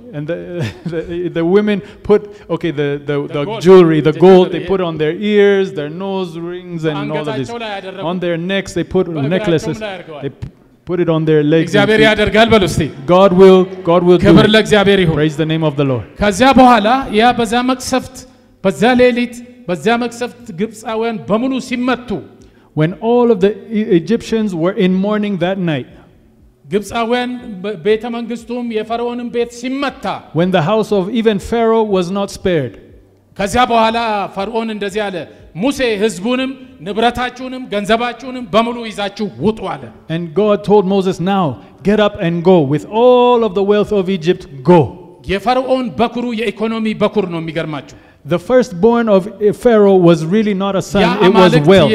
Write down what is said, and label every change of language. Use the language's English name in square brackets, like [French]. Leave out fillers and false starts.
[English] and the women put okay the jewelry the gold they put on their ears their nose rings and all of this on their necks they put necklaces they put it on their legs [Amharic] እግዚአብሔር ያደርጋል በሉስቲ [English] God will do [Amharic] ክብር ለእግዚአብሔር ይሁን [English] praise the name of the Lord [Amharic] ከዚያ በኋላ ያ በዛ መቅሰፍት በዛ ሌሊት በዛ መቅሰፍት ግብጻውያን በሙሉ ሲመቱ [English] when all of the Egyptians were in mourning that night [Amharic] ግብጻውያን ቤተ መንግስቱም የፈርዖንም ቤት ሲመታ [English] when the house of even Pharaoh was not spared [Amharic] ከዚያ በኋላ ፈርዖን እንደዚህ አለ ሙሴ ህዝቡንም ንብረታቸውንም ገንዘባቸውንም በሙሉ ይዛችሁ ውጡ አለ [English] and God told Moses now get up and go with all of the wealth of Egypt go [Amharic] የፈርዖን በኩሩ የኢኮኖሚ በኩር ነው የሚገርማችሁ [English] the firstborn of Pharaoh was really not a son it was wealth